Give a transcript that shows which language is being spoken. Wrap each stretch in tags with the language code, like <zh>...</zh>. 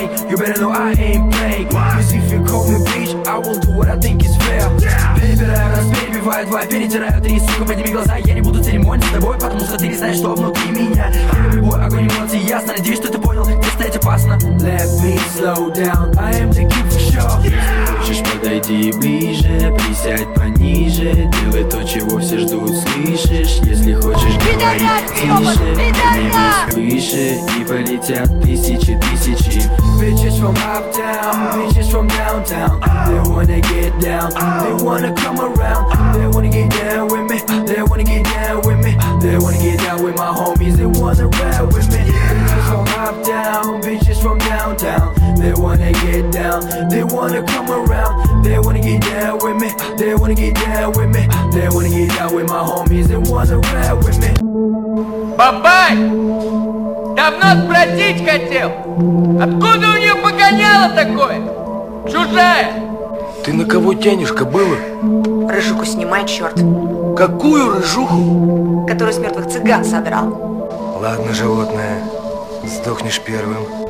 <en>You better know I ain't playing. Cause if you call me bitch, I will do what I think is fair.</en> <ru>Baby, да, раз перебивают два, перетираю три. Сука, подними глаза, я не буду церемониться с тобой. Потому что ты не знаешь, что внутри меня. Я любой огонь эмоций, ясно. Надеюсь, что ты понял, где стоять опасно.</ru> <en>Let me slow down, I am the king for sure.</en> <ru>Если хочешь, подойди ближе, присядь пониже. Делай то, чего все ждут, слышишь? Если хочешь, говори тише. Поднимись выше, и полетят тысячи, тысячи.</ru> <en>Bitches from uptown, bitches from downtown. They wanna get down, they wanna come around. They wanna get down with me, they wanna get down with me. They wanna get down with my homies, they wanna ride with me. Bitches from uptown, bitches from downtown. They wanna get down, they wanna come around. They wanna get down with me, they wanna get down with me. They wanna get down with my homies, they wanna ride with me.</en> <ru>Бабай! Давно спросить хотел! Откуда у нее погоняло такое? Чужая! Ты на кого тянешь, кобыла? Рыжуху снимай, черт. Какую рыжуху? Которую с мертвых цыган содрал. Ладно, животное, сдохнешь первым.</ru>